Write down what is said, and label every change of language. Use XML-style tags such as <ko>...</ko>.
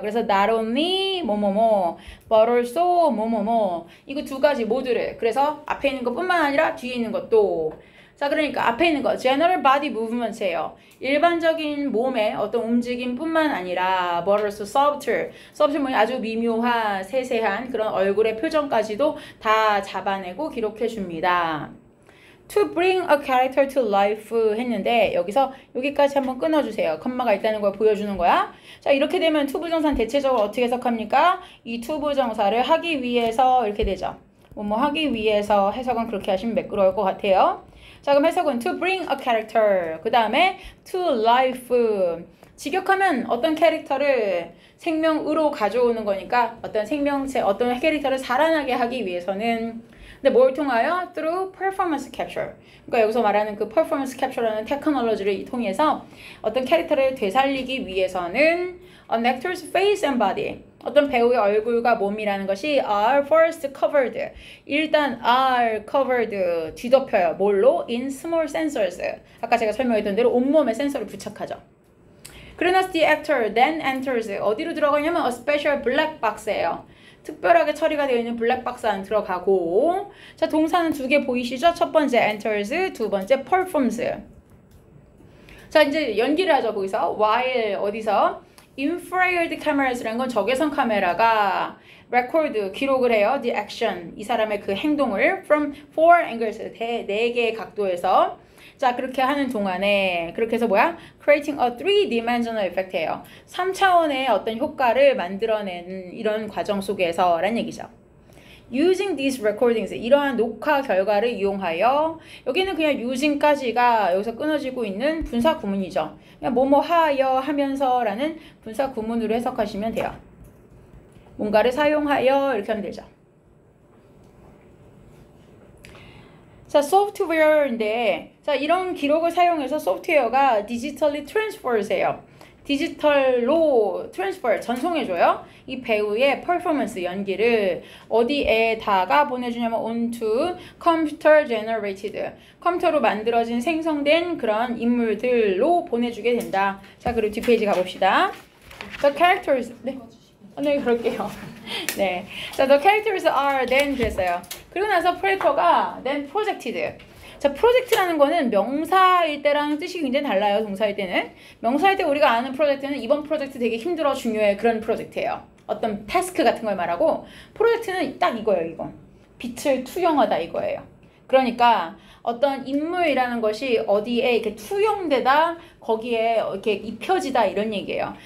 <ko>그래서 not only 뭐뭐뭐, but also 뭐뭐뭐, 이거 두 가지 모두를, 그래서 앞에 있는 것뿐만 아니라 뒤에 있는 것도. 자, 그러니까 앞에 있는 거</ko> <en>general body movement</en> <ko>예요. 일반적인 몸의 어떤 움직임뿐만 아니라</ko> <en>but also subtle,</en> <ko>subtle 뭐 아주 미묘한 세세한 그런 얼굴의 표정까지도 다 잡아내고 기록해 줍니다.</ko> <en>To bring a character to life</en> <ko>했는데 여기서 여기까지 한번 끊어주세요. 컴마가 있다는 걸 보여주는 거야. 자, 이렇게 되면 to 부정사는 대체적으로 어떻게 해석합니까? 이 to 부정사를 하기 위해서 이렇게 되죠. 뭐뭐 하기 위해서 해석은 그렇게 하시면 매끄러울 것 같아요. 자, 그럼 해석은 to bring a character, 그 다음에 to life, 직역하면 어떤 캐릭터를 생명으로 가져오는 거니까 어떤 생명체, 어떤 캐릭터를 살아나게 하기 위해서는, 근데 뭘 통하여?</ko> <en>through performance capture.</en> <ko>그러니까 여기서 말하는 그 performance capture라는 테크놀로지를 통해서 어떤 캐릭터를 되살리기 위해서는</ko> <en>an actor's face and body,</en> <ko>어떤 배우의 얼굴과 몸이라는 것이</ko> <en>are first covered,</en> <ko>일단 are covered, 뒤덮여요. 뭘로?</ko> <en>in small sensors,</en> <ko>아까 제가 설명했던 대로 온몸에 센서를 부착하죠.</ko> <en>그러나 the actor then enters,</en> <ko>어디로 들어가냐면</ko> <en>a special black box예요.</en> <ko>특별하게 처리가 되어 있는 블랙박스 안 들어가고, 자, 동사는 두 개 보이시죠? 첫 번째 enters, 두 번째 performs. 자, 이제 연기를 하죠. 거기서 while 어디서 infrared cameras라는 건 적외선 카메라가 record 기록을 해요.</ko> <en>The action</en> <ko>이 사람의 그 행동을</ko> <en>from four angles</en> <ko>네 개의 각도에서 자 그렇게 하는 동안에 그렇게 해서 뭐야?</ko> <en>Creating a three-dimensional effect예요.</en> <ko>3차원의 어떤 효과를 만들어내는 이런 과정 속에서라는 얘기죠.</ko> <en>Using these recordings,</en> <ko>이러한 녹화 결과를 이용하여 여기는 그냥 using까지가 여기서 끊어지고 있는 분사 구문이죠. 그냥 뭐뭐 하여 하면서라는 분사 구문으로 해석하시면 돼요. 뭔가를 사용하여 이렇게 하면 되죠. 자, 소프트웨어인데 자 이런 기록을 사용해서 소프트웨어가 digitally transfer해요. 디지털로 트랜스퍼 전송해줘요. 이 배우의 퍼포먼스 연기를 어디에다가 보내주냐면</ko> <en>onto computer generated</en> <ko>컴퓨터로 만들어진 생성된 그런 인물들로 보내주게 된다. 자 그리고 뒷페이지 가봅시다. The characters 네 그럴게요. 네.</ko> <en>자 the characters are then</en> <ko>그랬어요. 그리고 나서 프로젝터가 then projected. 자, 프로젝트라는 거는 명사일 때랑 뜻이 굉장히 달라요, 동사일 때는. 명사일 때 우리가 아는 프로젝트는 이번 프로젝트 되게 힘들어, 중요해, 그런 프로젝트예요. 어떤 태스크 같은 걸 말하고, 프로젝트는 딱 이거예요, 이거. 빛을 투영하다 이거예요. 그러니까 어떤 인물이라는 것이 어디에 이렇게 투영되다, 거기에 이렇게 입혀지다 이런 얘기예요.</ko>